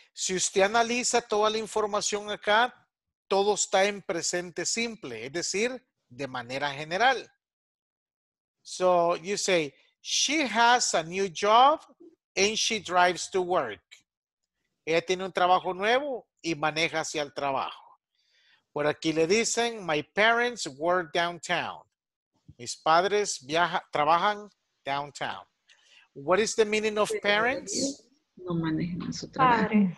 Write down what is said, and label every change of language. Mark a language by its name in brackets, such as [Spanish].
[Spanish] Si usted analiza toda la información acá, todo está en presente simple, es decir, de manera general. [English] So you say, she has a new job and she drives to work. [Spanish] Ella tiene un trabajo nuevo y maneja hacia el trabajo. Por aquí le dicen, [English] my parents work downtown. [Spanish] Mis padres trabajan downtown. [English] What is the meaning of parents? [Spanish] No manejan su trabajo.